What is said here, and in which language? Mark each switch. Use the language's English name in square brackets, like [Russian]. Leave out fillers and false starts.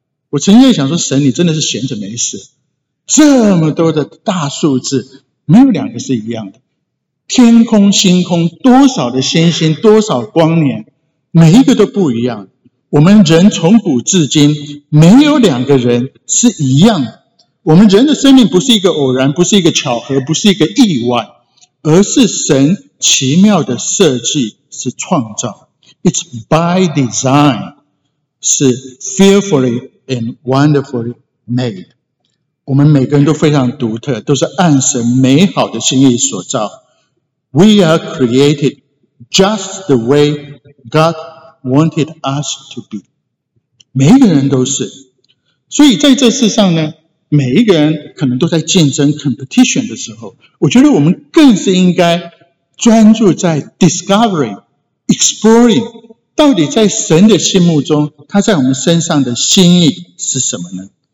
[Chinese] 我曾经想说，神你真的是闲着没事，这么多的大数字没有两个是一样的，天空星空多少的星星，多少光年，每一个都不一样。我们人从古至今没有两个人是一样的，我们人的生命不是一个偶然，不是一个巧合，不是一个意外，而是神奇妙的设计，是创造。 [English] It's by design， [Chinese] 是 [English] fearfully and wonderfully made。 [Chinese] 我们每个人都非常独特，都是按神美好的心意所造。 [English] We are created just the way God wanted us to be， [Chinese] 每一个人都是。所以在这世上呢，每一个人可能都在竞争 competition 的时候，我觉得我们更是应该专注在 [English] discovery exploring [Chinese] 到底在神的心目中他在我们身上的心意是什么呢。